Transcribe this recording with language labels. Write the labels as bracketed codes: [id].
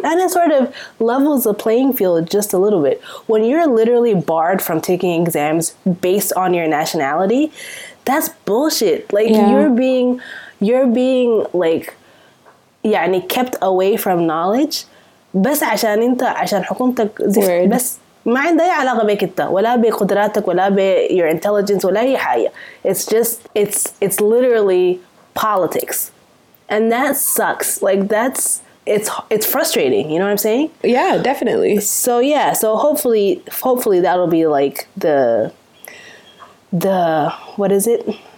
[en] And it sort of levels the playing field just a little bit. When you're literally barred from taking exams based on your nationality, that's bullshit. Like, yeah. you're being like, yeah, and it kept away from knowledge. [ar] بس عشان انت عشان حكومتك زفت بس ما عندي علاقة بك انت ولا بقدراتك ولا ب [en] your intelligence [ar] ولا أي حاجة. [en] It's just it's literally politics, and that sucks. Like, that's it's frustrating. You know what I'm saying? Yeah, definitely. So yeah, so hopefully that'll be like the what is it?